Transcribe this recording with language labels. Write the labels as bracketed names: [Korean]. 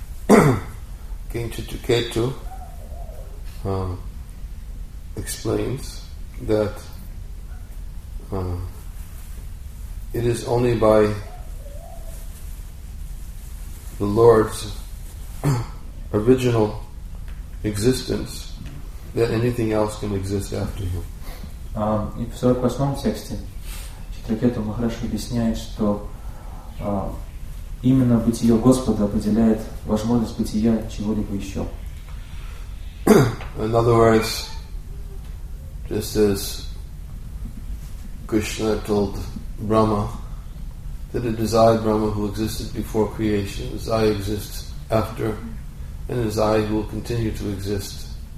[English] 48, King Chuchuketu explains that it is only by the Lord's original existence that anything else can exist after Him. [Russian] И в 48-м тексте Читракету Махараш объясняет, что именно бытие Господа определяет возможность бытия чего-либо еще. [English] In other words, just as Krishna told Brahma that it is I, Brahma, who existed before creation, as I exist after, and as I will continue to exist.